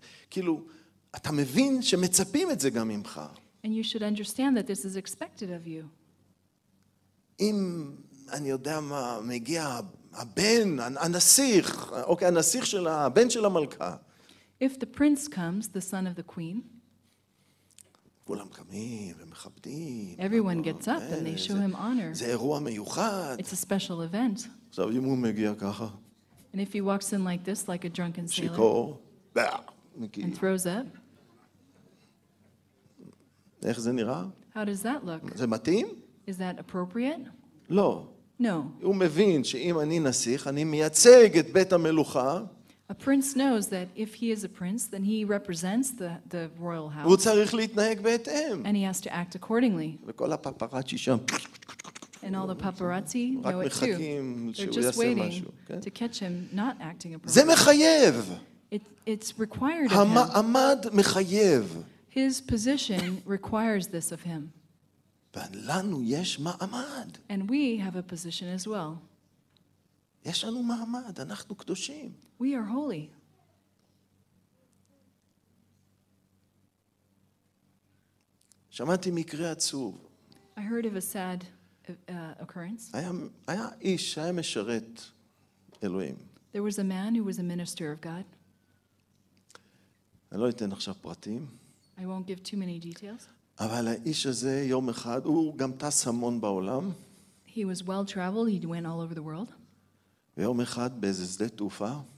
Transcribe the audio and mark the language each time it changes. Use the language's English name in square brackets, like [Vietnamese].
[Hebrew] כאילו, אתה מבין שמצפים את זה גם ממך. [English] And you should understand that this is expected of you. [Hebrew] אם אני יודע מה, מגיע הבן, הנסיך, אוקיי, הנסיך של הבן של המלכה. [English] If the prince comes, the son of the queen. [Hebrew] כולם קמים ומכבדים. [English] Everyone gets up and they show him honor. [Hebrew] זה אירוע מיוחד. [English] It's a special event. [Hebrew] עכשיו, אם הוא מגיע ככה. [English] And if he walks in like this, like a drunken sailor. [Hebrew] שיקור. [English] And throws up. [Hebrew] איך זה נראה? [English] How does that look? [Hebrew] זה מתאים? [English] Is that appropriate? [Hebrew] לא. [English] No. [Hebrew] הוא מבין שאם אני נסיך, אני מייצג את בית המלוכה. [English] A prince knows that if he is a prince, then he represents the royal house. [Hebrew] הוא צריך להתנהג בהתאם. [English] And he has to act accordingly. [Hebrew] וכל הפפראצ'י שם. [English] And all the paparazzi know it too. [Hebrew] רק מחכים שהוא יעשה משהו. [English] To catch him not acting appropriately. [Hebrew] זה מחייב. [English] It's required of him. [Hebrew] המעמד מחייב. [English] His position requires this of him. [Hebrew] ולנו יש מעמד. [English] And we have a position as well. [Hebrew] יש לנו מעמד, אנחנו קדושים. [English] We are holy. [Hebrew] שמעתי מקרה עצוב. [English] I heard of a sad occurrence. [Hebrew] היה איש, היה משרת אלוהים. [English] There was a man who was a minister of God. [Hebrew] אני לא אתן עכשיו פרטים. [English] I won't give too many details. [Hebrew] אבל האיש הזה יום אחד, הוא גם טס המון בעולם. [English] He was well traveled, he went all over the world. [Hebrew] ויום אחד באיזה שדה תעופה.